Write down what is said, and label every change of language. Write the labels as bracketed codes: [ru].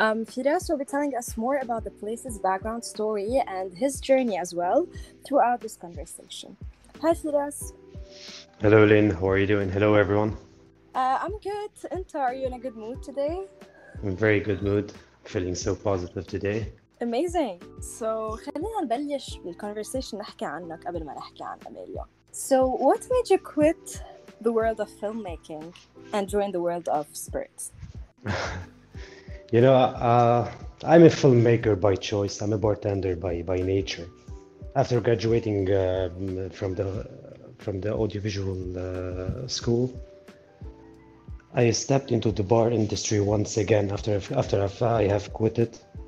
[en] Firas will be telling us more about the place's background story and his journey as well throughout this conversation. Hi, Firas. Hello, Lynn. How are you doing? Hello, everyone. I'm good. Inta, are you in a good mood today? I'm very good mood. Feeling so positive today. Amazing. [ar] So, خلينا نبلش بالconversation نحكي عنك قبل ما نحكي عن أميليا. [en] So, what made you quit the world of filmmaking and join the world of spirits? You know, I'm a filmmaker by choice. I'm a bartender by nature. After graduating from the audiovisual school, I stepped into the bar industry once again after I have quit it.